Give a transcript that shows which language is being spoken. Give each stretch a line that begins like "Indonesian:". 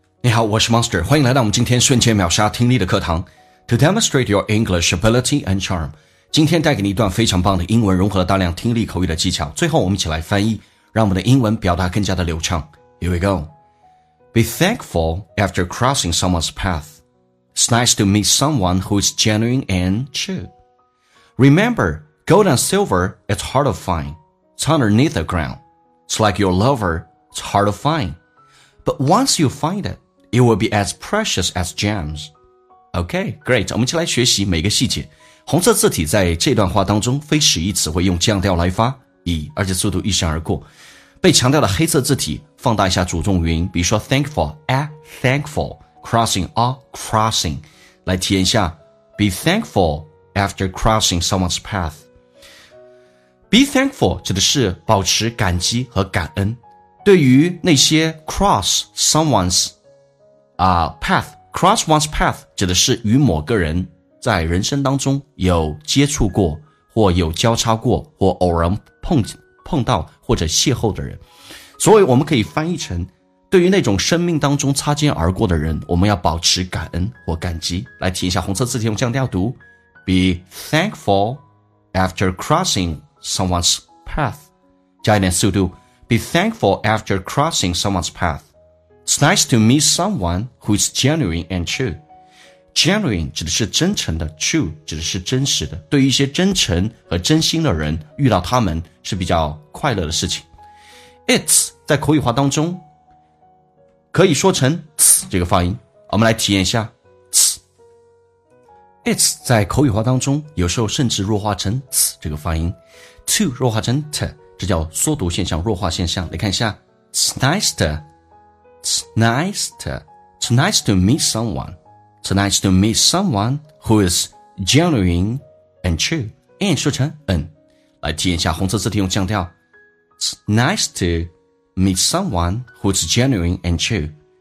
Chinese: 你好，我是 Monster， 欢迎来到我们今天瞬间秒杀听力的课堂。
English: To demonstrate your English ability and charm，
Chinese: 今天带给你一段非常棒的英文，融合了大量听力口语的技巧。最后我们一起来翻译，让我们的英文表达更加的流畅。
English: Here we go. Be thankful after crossing someone's path. It's nice to meet someone who is genuine and true. Remember, gold and silver, it's hard to find. It's underneath the ground. It's like your lover, it's hard to find. But once you find it, it will be as precious as gems. Okay, great.
Chinese: 我们一起来学习每个细节。红色字体在这段话当中非使役词会用降调来发，以而且速度一闪而过。被强调的黑色字体放大一下主重音，比如说 thankful, a thankful, crossing, a crossing. 来体验一下
English: be thankful after crossing someone's path.
Chinese: Be thankful 指的是保持感激和感恩。对于那些 cross someone's path, cross one's path 指的是与某个人在人生当中有接触过或有交叉过或偶然 碰到或者邂逅的人。所以我们可以翻译成对于那种生命当中擦肩而过的人，我们要保持感恩或感激。来听一下红色字体用降调读
English: Be thankful after crossing someone's path.
Chinese: 加一点速度
English: Be thankful after crossing someone's path. It's nice to meet someone who is genuine and true.
Chinese: Genuine 指的是真诚的， true 指的是真实的。对于一些真诚和真心的人，遇到他们是比较快乐的事情。 It's 在口语化当中可以说成 ts 这个发音，我们来体验一下 ts。 It's 在口语化当中有时候甚至弱化成 ts 这个发音， to 弱化成 t。这叫缩读现象，弱化现象。来看一下
English: It's nice to It's nice to It's nice to meet someone It's nice to meet someone who is genuine and true. And
Chinese: 说成
English: N
Chinese: 来体验一下红色字体用降调
English: It's nice to meet someone who is genuine and true.